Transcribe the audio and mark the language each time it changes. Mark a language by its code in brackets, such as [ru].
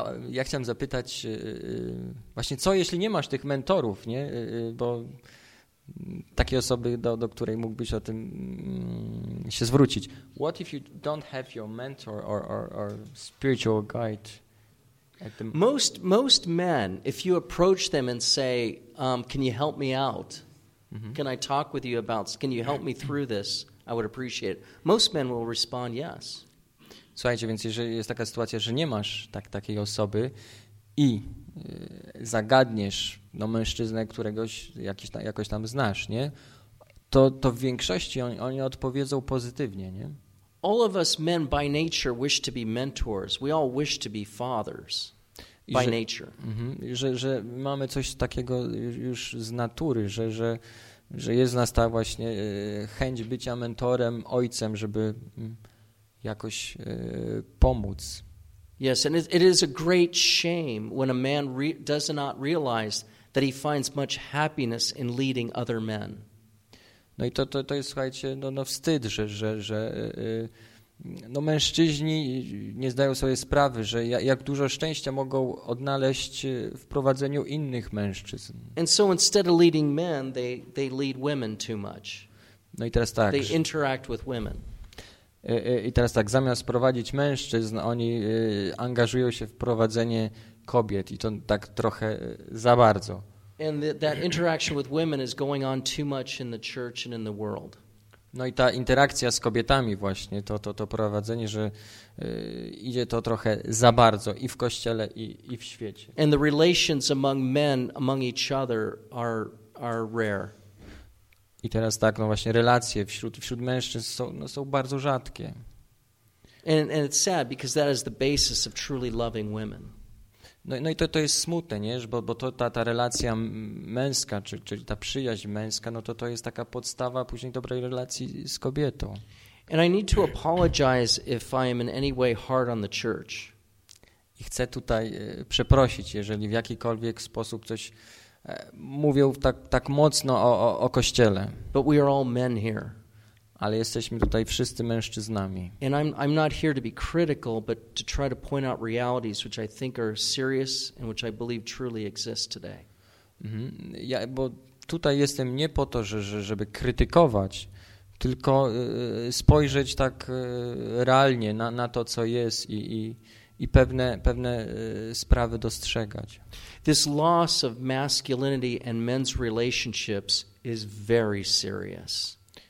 [pl] Ja chciałem zapytać właśnie, co jeśli nie masz tych mentorów, nie? Bo takiej osoby, do której mógłbyś o tym się zwrócić. [en] What if you don't have your mentor or spiritual guide? Most men, if you approach them and say, can you help me out? Mm-hmm. Can I talk with you about, can you help me through this? I would appreciate it. Most men will respond yes. [pl] Słuchajcie, więc jeżeli jest taka sytuacja, że nie masz takiej osoby i zagadniesz no, mężczyznę, któregoś jakoś tam znasz, nie? To w większości oni odpowiedzą pozytywnie, nie? [en] All of us men by nature wish to be mentors. We all wish to be fathers by nature. [pl] Że mamy coś takiego już z natury, że jest w nas ta właśnie chęć bycia mentorem, ojcem, żeby jakoś pomóc. [en] Yes, and it is a great shame when a man does not realize that he finds much happiness in leading other men. [pl] No i to jest, słuchajcie, no wstyd, że no mężczyźni nie zdają sobie sprawy, że jak dużo szczęścia mogą odnaleźć w prowadzeniu innych mężczyzn. [en] And so instead of leading men, they lead women too much. [pl] No i teraz tak. [en] They interact with women. [pl] I teraz tak, zamiast prowadzić mężczyzn, oni angażują się w prowadzenie kobiet i to tak trochę za bardzo. [en] And that interaction with women is going on too much in the church and in the world. [pl] No i ta interakcja z kobietami właśnie, to prowadzenie, że idzie to trochę za bardzo i w kościele i w świecie. [en] And the relations among men among each other are rare. [pl] I teraz tak, no właśnie relacje wśród mężczyzn są, no są bardzo rzadkie. [en] And it's sad because that is the basis of truly loving women. [pl] No i to jest smutne, nie? Bo to ta relacja męska, czyli ta przyjaźń męska, no to jest taka podstawa później dobrej relacji z kobietą. [en] And I need to apologize if I am in any way hard on the church. [pl] I chcę tutaj przeprosić, jeżeli w jakikolwiek sposób coś mówią tak mocno o kościele. [en] But we are all men here. [pl] Ale jesteśmy tutaj wszyscy mężczyznami. [en] And I'm not here to be critical, but to try to point out realities which I think are serious and which I believe truly exist today. [pl] Ja, bo tutaj jestem nie po to, żeby krytykować, tylko spojrzeć tak realnie na to, co jest i pewne sprawy dostrzegać. [en] This loss of masculinity and men's relationships is very serious.